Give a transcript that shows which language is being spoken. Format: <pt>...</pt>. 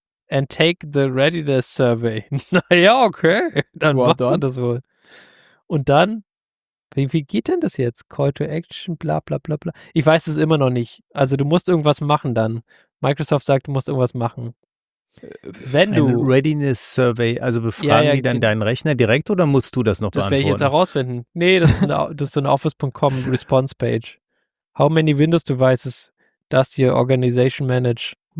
<en>And take the readiness survey.</en> <de>Naja, okay. Dann macht man das wohl. Und dann, wie geht denn das jetzt? Call to action, bla bla bla bla. Ich weiß es immer noch nicht. Also du musst irgendwas machen dann. Microsoft sagt, du musst irgendwas machen. Wenn du... Eine readiness survey, also befragen die dann deinen Rechner direkt oder musst du das noch beantworten? Das werde ich jetzt herausfinden. Nee, das ist so eine office.com response page.</de> <en>How many Windows devices does your organization manage?</en>